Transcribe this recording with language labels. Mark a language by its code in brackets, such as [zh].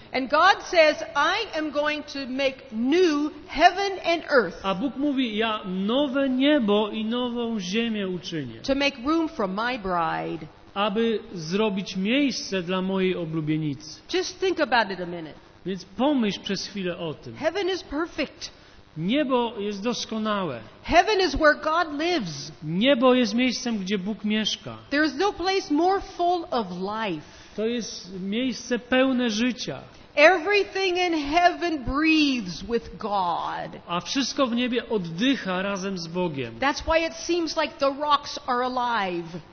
[en] And God says, I am going to make new heaven and earth. [pl] A Bóg mówi, ja nowe niebo i nową ziemię uczynię. [en] To make room for my bride. [pl] Aby zrobić miejsce dla mojej oblubienicy. [en] Just think about it a minute. [pl] Więc pomyśl przez chwilę o tym. [en] Heaven is perfect. [pl] Niebo jest doskonałe. [en] Heaven is where God lives. [pl] Niebo jest miejscem, gdzie Bóg mieszka. [en] There is no place more full of life. [pl] To jest miejsce pełne życia. [en] Everything in heaven breathes with God. [pl] A wszystko w niebie oddycha razem z Bogiem. [en] That's why it seems like the rocks are alive.